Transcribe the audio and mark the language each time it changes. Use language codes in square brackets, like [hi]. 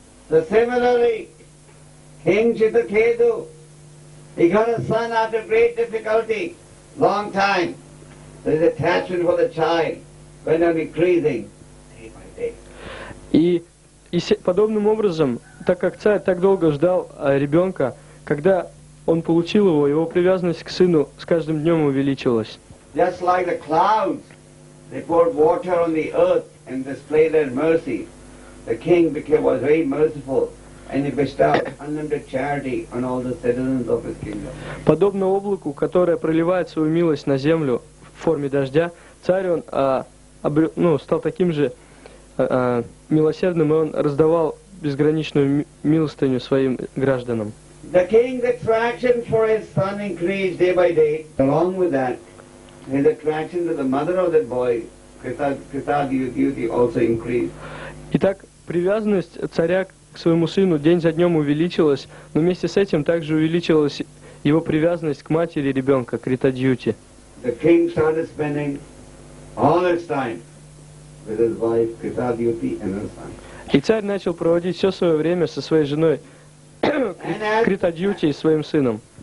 [en] So similarly, King Chitraketu, he got a son after great difficulty, long time. So his attachment for the child went on increasing day by day. [ru] И подобным образом, так как царь так долго ждал ребенка, когда он получил его, его привязанность к сыну с каждым днем увеличилась. [en] Just like the clouds, they poured water on the earth and displayed their mercy. The king became was very merciful. And he bestowed unlimited charity on all the citizens of his kingdom. [ru] Подобно облаку, которое проливает свою милость на землю в форме дождя, царь он стал таким же милосердным, и он раздавал безграничную милостыню своим гражданам. [en] The king's attraction for his son increased day by day. Along with that, his attraction to the mother of that boy, Kritagyuti, also increased. [ru] Итак, привязанность царя к своему сыну день за днем увеличилась, но вместе с этим также увеличилась его привязанность к матери ребенка, Критадьюти. И царь начал проводить все свое время со своей женой Критадьюти и своим сыном.